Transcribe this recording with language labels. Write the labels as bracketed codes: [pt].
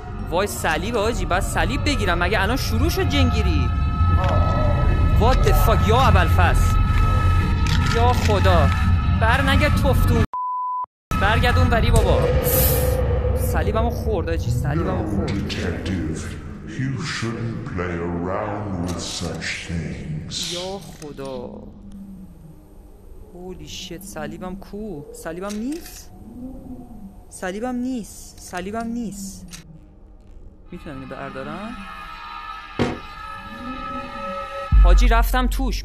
[fa] وای صلیب آجی، باید صلیب بگیرم. مگه الان شروع شد جنگیری؟ [en] What the fuck. [fa] یا ابوالفضل یا خدا بر نگرد تفتون. برگرد اون بری بابا. صلیبمو خورد آجی، صلیبمو خورد. [en] You shouldn't play around with such things. [fa] یا خدا [en] holy shit. [fa] صلیبم کو؟ صلیبم نیست؟ صلیبم نیست؟ صلیبم نیست؟ میتونم اینو بردارم؟ حاجی رفتم توش.